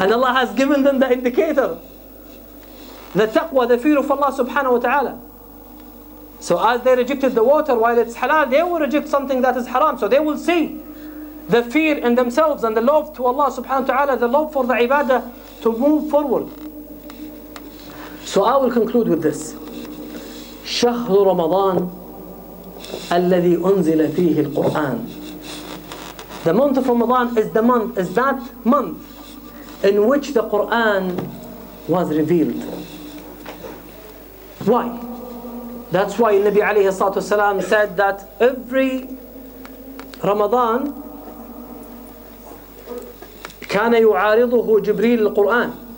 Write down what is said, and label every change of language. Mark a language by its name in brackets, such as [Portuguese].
[English] And Allah has given them the indicator, the taqwa, the fear of Allah subhanahu wa ta'ala. So as they rejected the water while it's halal, they will reject something that is haram. So they will see the fear in themselves and the love to Allah subhanahu wa ta'ala, the love for the ibadah to move forward. So I will conclude with this. [Arabic] شهر رمضان الذي أنزل فيه القرآن. [English] The month of Ramadan is that month in which the Quran was revealed. Why? That's why Nabi alayhi salatu wasalam said that every Ramadan [Arabic] كان يعارضه جبريل القرآن.